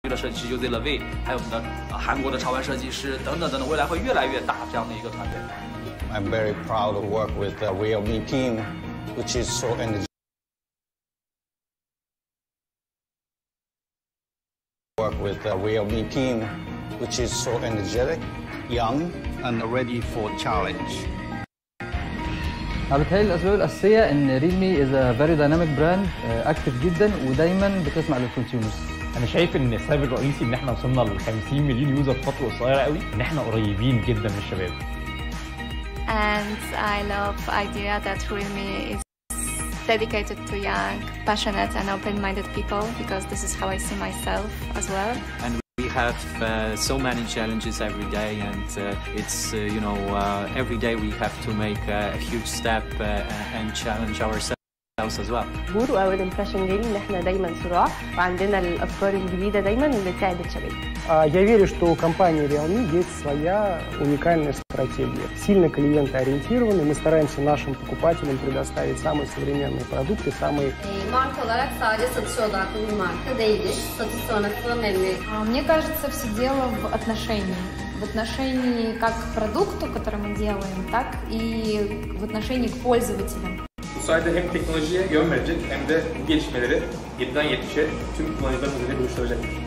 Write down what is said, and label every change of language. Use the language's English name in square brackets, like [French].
[Chinese] 的设计师 unveiled， 还有我们的、韩国的潮玩设计师等等等等，未来会越来越大这样的一个团队。 [English] I'm very proud to work with the realme team, which is so energetic. Young and ready for challenge. I would tell as well as Sia and Realme is a very dynamic brand, active [Arabic] جدا ودايما بتسمع لل [English] consumers. [Arabic] أنا شايف إن السبب الرئيسي إن إحنا وصلنا لل 50 مليون يوزر في فترة قصيرة قوي إن إحنا قريبين جدا من الشباب. [English] And I love idea that Realme is. Dedicated to young, passionate and open-minded people because this is how I see myself as well. And we have so many challenges every day and it's, you know, every day we have to make a huge step and challenge ourselves as well. Good and impression game, we are always strong and we have the new ideas always to help people. I believe that the company Realme has its own unique стратегия. [Russian] Сильно клиентоориентированы, мы стараемся нашим покупателям предоставить самые современные продукты, самые... [Turkish] Марка olarak sadece satış odaklı bir marka değildir. Satış sonrasında memnuniyet. [Russian] Мне кажется, все дело в отношении. В отношении как к продукту, который мы делаем, так и в отношении к пользователям. [Turkish] Bu sayede hem teknolojiye yön verecek hem de gelişmeleri 7'den 70'e tüm kullanıcılarımızı buluşturacak.